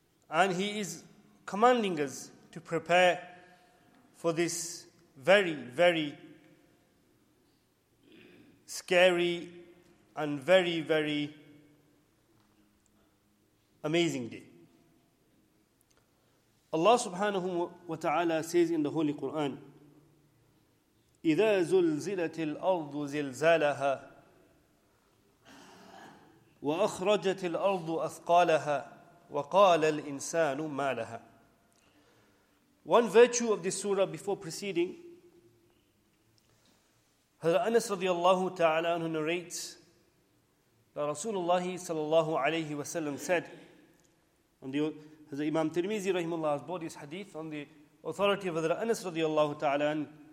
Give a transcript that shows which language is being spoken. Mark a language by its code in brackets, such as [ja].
[en] And He is commanding us to prepare for this very, very scary and very, very amazing day. Allah subhanahu wa ta'ala says in the Holy Quran, [ar] إِذَا زُلْزِلَتِ الْأَرْضُ زِلْزَالَهَا وَأَخْرَجَتِ الْأَرْضُ أَثْقَالَهَا وَقَالَ الْإِنسَانُ مَا لَهَا. [en] One virtue of this surah before proceeding, Hazrat Anas radiallahu ta'ala anhu narrates that Rasulullah sallallahu alayhi wa sallam said, on the Hazrat Imam Tirmizi rahimullah has brought his hadith on the authority of Hazrat Anas radiallahu ta'ala anhu,